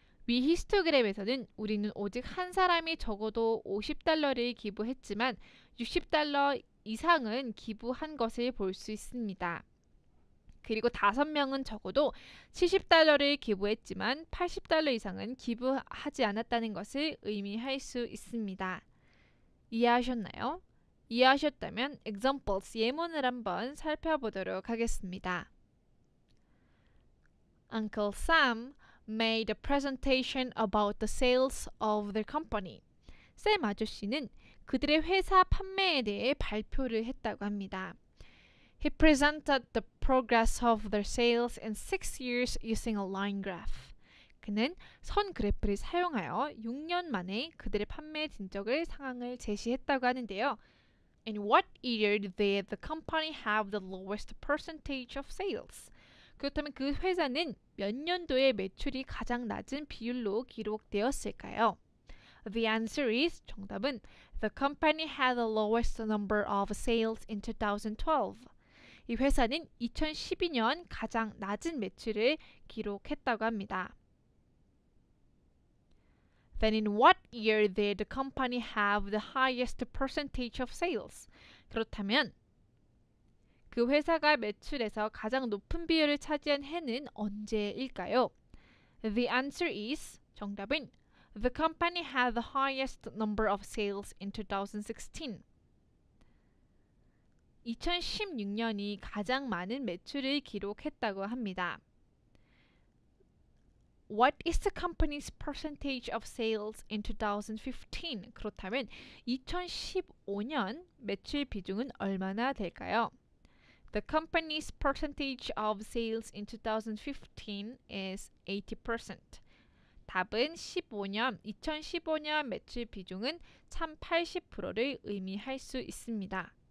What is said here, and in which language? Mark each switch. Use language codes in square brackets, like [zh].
[ko] 위 히스토그램에서는 우리는 오직 한 사람이 적어도 $50를 기부했지만 $60 이상은 기부한 것을 볼 수 있습니다. 그리고 다섯 명은 적어도 $70를 기부했지만 $80 이상은 기부하지 않았다는 것을 의미할 수 있습니다. 이해하셨나요? 이해하셨다면 examples 예문을 한번 살펴보도록 하겠습니다. Uncle Sam [en] made a presentation about the sales of their company. [ko] Sam 아저씨는 그들의 회사 판매에 대해 발표를 했다고 합니다. [en] He presented the progress of their sales in 6 years using a line graph. [ko] 그는 선 그래프를 사용하여 6년 만에 그들의 판매 진적을 상황을 제시했다고 하는데요. [en] In what year did the company have the lowest percentage of sales? [ko] 그렇다면 그 회사는 몇 년도에 매출이 가장 낮은 비율로 기록되었을까요? [en] The answer is, 정답은 The company had the lowest number of sales in 2012. [ko] 이 회사는 2012년 가장 낮은 매출을 기록했다고 합니다. [en] Then in what year did the company have the highest percentage of sales? [ko] 그렇다면 그 회사가 매출에서 가장 높은 비율을 차지한 해는 언제일까요? [en] The answer is, 정답은 The company had the highest number of sales in 2016. [ko] 2016년이 가장 많은 매출을 기록했다고 합니다. [en] What is the company's percentage of sales in 2015? [ko] 그렇다면 2015년 매출 비중은 얼마나 될까요? [en] The company's percentage of sales in 2015 is 80%. [ko] 답은 2015년 매출 비중은 80%를 의미할 수 있습니다.